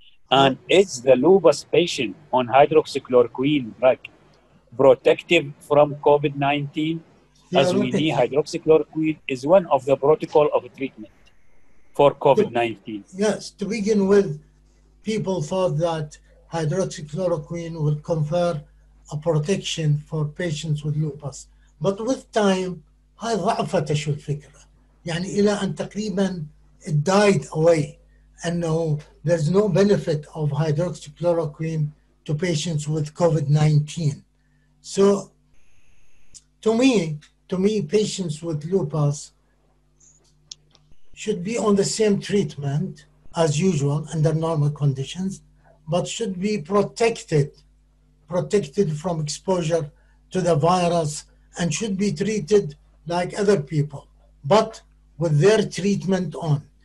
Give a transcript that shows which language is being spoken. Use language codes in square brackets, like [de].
[en] And is the lupus patient on hydroxychloroquine drug protective from COVID-19? As we need hydroxychloroquine is one of the protocol of treatment for COVID-19. Yes, to begin with, people thought that hydroxychloroquine will confer a protection for patients with lupus. But with time, [ar] هاي ضعفت شو الفكرة. يعني إلى أن تقريبا [en] it died away. And no, there's no benefit of hydroxychloroquine to patients with COVID-19. So to me, patients with lupus should be on the same treatment as usual under normal conditions, but should be protected from exposure to the virus and should be treated like other people, but with their treatment on.